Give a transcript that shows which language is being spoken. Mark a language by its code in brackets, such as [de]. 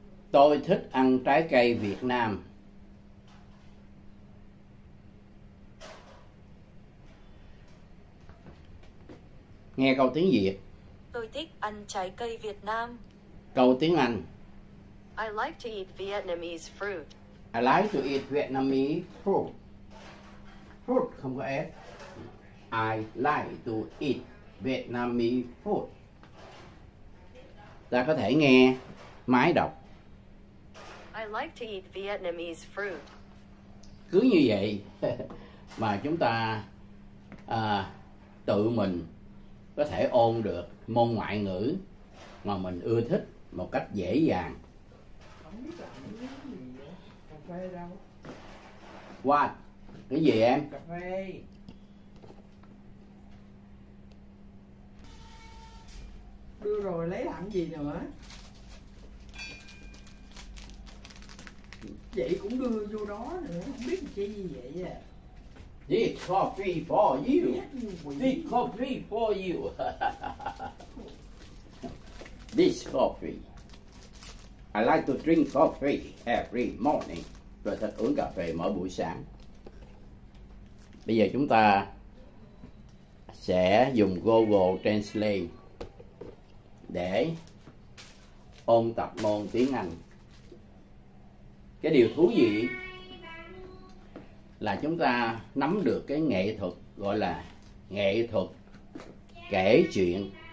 [vi] Tôi thích ăn trái cây Việt Nam. Nghe câu tiếng Việt. Tôi thích ăn trái cây Việt Nam. Câu tiếng Anh. [en] I like to eat Vietnamese fruit. I like to eat Vietnamese fruit. Fruit [vi] không có S. [en] I like to eat Vietnamese food. [vi] Ta có thể nghe máy đọc. [en] I like to eat Vietnamese fruit. [vi] Cứ như vậy mà chúng ta tự mình có thể ôn được môn ngoại ngữ mà mình ưa thích một cách dễ dàng. [en] What? [vi] Cái gì em? Cà phê. Đưa rồi lấy làm gì nữa? Vậy cũng đưa vô đó nữa, không biết chi gì vậy à? [en] This coffee for you. This coffee for you. This coffee. I like to drink coffee every morning. [vi] Rồi thích uống cà phê mỗi buổi sáng. Bây giờ chúng ta sẽ dùng Google Translate để ôn tập môn tiếng Anh. Cái điều thú vị là chúng ta nắm được cái nghệ thuật gọi là nghệ thuật kể chuyện.